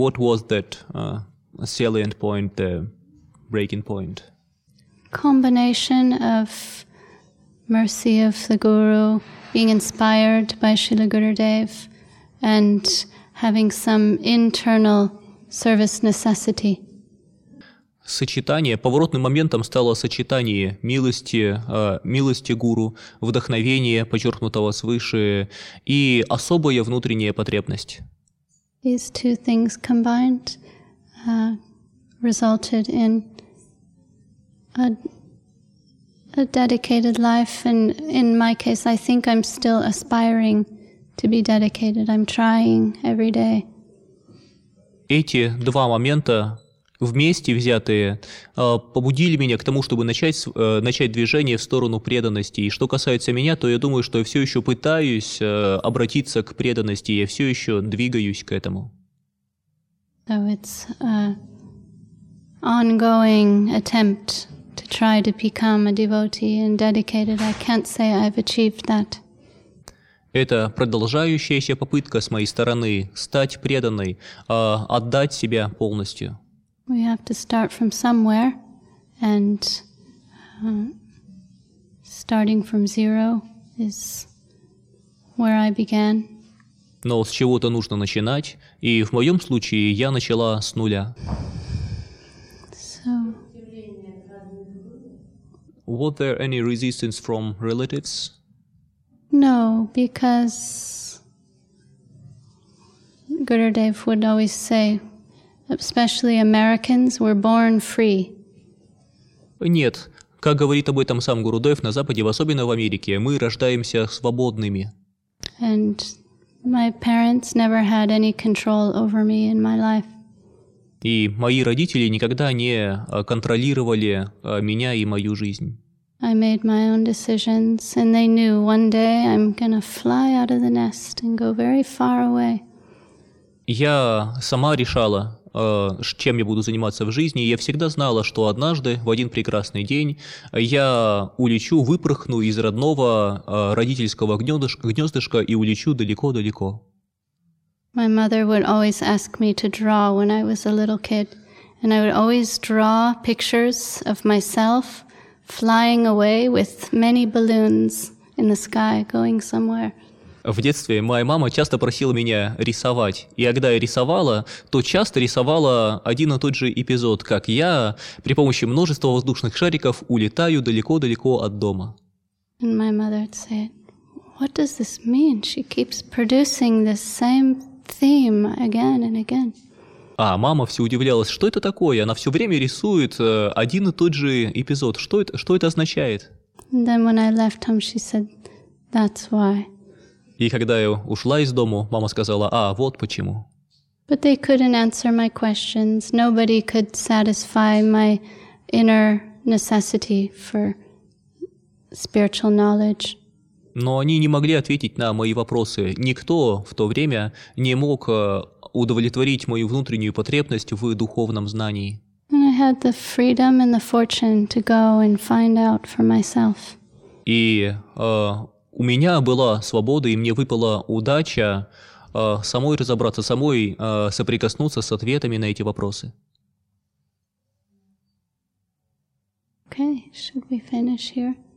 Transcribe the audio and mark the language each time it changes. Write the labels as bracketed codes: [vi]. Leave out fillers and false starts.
[en] What was that salient point, the breaking point? Combination of mercy of the Guru, being inspired by Srila Gurudev, and having some internal service necessity. [ru] Сочетание, поворотным моментом стало сочетание милости, милости гуру, вдохновения, подчеркнутого свыше, и особая внутренняя потребность. [en] These two things combined resulted in a dedicated life, and in my case, I think I'm still aspiring to be dedicated. I'm trying every day. [ru] Эти два момента вместе взятые побудили меня к тому, чтобы начать движение в сторону преданности. И что касается меня, то я думаю, что я все еще пытаюсь обратиться к преданности, я все еще двигаюсь к этому. [en] So it's ongoing attempt to try to become a devotee and dedicated. I can't say I've achieved that. [ru] Это продолжающаяся попытка с моей стороны стать преданной, отдать себя полностью. [en] We have to start from somewhere, and starting from zero is where I began. [ru] Но с чего-то нужно начинать, и в моем случае я начала с нуля. [en] So, was there any resistance from relatives? No, because Gurudev would always say, especially Americans were born free. [ru] Нет, как говорит об этом сам Гурудев на Западе, в особенно в Америке, мы рождаемся свободными. [en] And my parents never had any control over me in my life. [ru] И мои родители никогда не контролировали меня и мою жизнь. [en] I made my own decisions, and they knew one day I'm gonna fly out of the nest and go very far away. [ru] Я сама решала, чем я буду заниматься в жизни, я всегда знала, что однажды, в один прекрасный день, я улечу, выпрыгну из родного родительского гнездышка и улечу далеко-далеко. [en] My mother would always ask me to draw when I was a little kid, and I would always draw pictures of myself flying away with many balloons in the sky going somewhere. [ru] В детстве моя мама часто просила меня рисовать, и когда я рисовала, то часто рисовала один и тот же эпизод, как я при помощи множества воздушных шариков улетаю далеко-далеко от дома. [en] And my mother would say, "What does this mean? She keeps producing the same theme again and again." [ru] А, мама все удивлялась, что это такое? Она все время рисует один и тот же эпизод. Что это означает? [en] And then when I left home, she said, that's why. [ru] И когда я ушла из дома, мама сказала, а, вот почему. [en] But they couldn't answer my questions. Nobody could satisfy my inner necessity for spiritual knowledge. [ru] Но они не могли ответить на мои вопросы. Никто в то время не мог удовлетворить мою внутреннюю потребность в духовном знании. [en] And I had the freedom and the fortune to go and find out for myself. [ru] И у меня была свобода, и мне выпала удача самой разобраться, самой соприкоснуться с ответами на эти вопросы. [en] Okay, should we finish here?